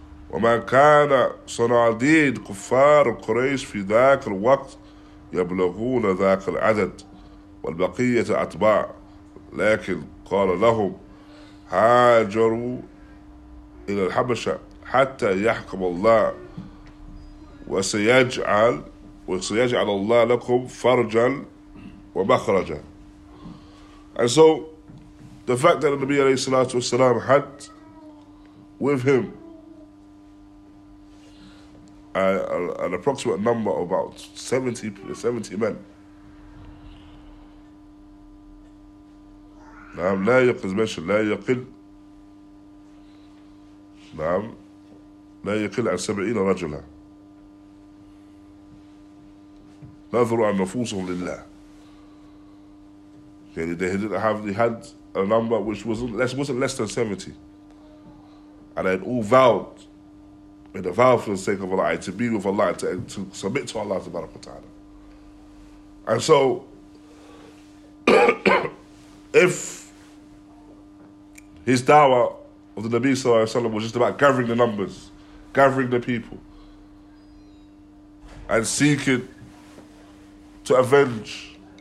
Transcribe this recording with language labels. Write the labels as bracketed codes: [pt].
[ar] وَمَنْ كَانَ صَنَعَدِيدْ كُفَّارُ قُرَيْشِ فِي ذَاكَ الْوَقْتِ يَبْلَغُونَ ذَاكَ الْعَدَدْ وَالْبَقِيَّةَ أَتْبَاعُ لَكِنْ قَالَ لَهُمْ هَاجَرُوا إِلَى الْحَبَشَةِ حَتَّى يَحْكُمَ اللَّهُ وَسَيَجْعَلَ اللَّهُ لَكُمْ فَرْجًا وَمَخْرَجًا. [en] And so, the fact that the Nabi alayhi salatu wasalam had with him an approximate number of about 70 men. [ar] نعم لا يقل مش لا يقل نعم لا يقل عن 70 رجلا نظروا عن نفوسهم لله. [en] Okay, they had a number which wasn't less than 70, and they all vowed, made a vow for the sake of Allah, to be with Allah, to submit to Allah subhanahu wa ta'ala. And so, if his da'wah of the Nabi sallallahu alayhi wa sallam was just about gathering the numbers, gathering the people, and seeking to avenge